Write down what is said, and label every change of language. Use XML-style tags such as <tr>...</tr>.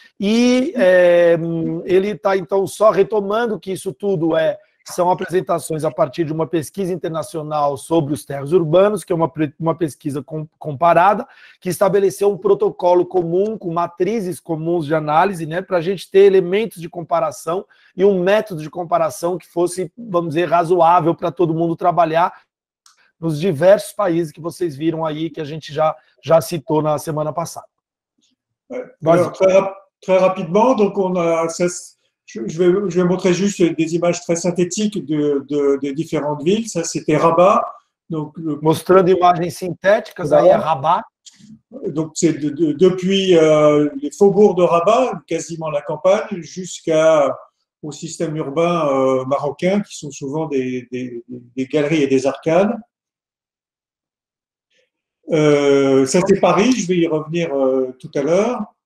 <pt>E ele está, então, só retomando que isso tudo são apresentações a partir de uma pesquisa internacional sobre os terrenos urbanos, que é uma pesquisa comparada, que estabeleceu um protocolo comum, com matrizes comuns de análise, né, para a gente ter elementos de comparação e um método de comparação que fosse, vamos dizer, razoável para todo mundo trabalhar nos diversos países que vocês viram aí, que a gente já citou na semana passada.</pt> <fr>Très rapidement, donc on a... Je vais montrer juste des images très synthétiques de différentes villes. Ça, c'était Rabat.</fr> <pt>Donc, mostrando imagens sintéticas, aí é Rabat.</pt> <fr>Donc, c'est depuis les faubourgs de Rabat, quasiment la campagne, jusqu'au système urbain marocain, qui sont souvent des galeries et des arcades. Ça, c'est Paris. Je vais y revenir tout à l'heure.</fr>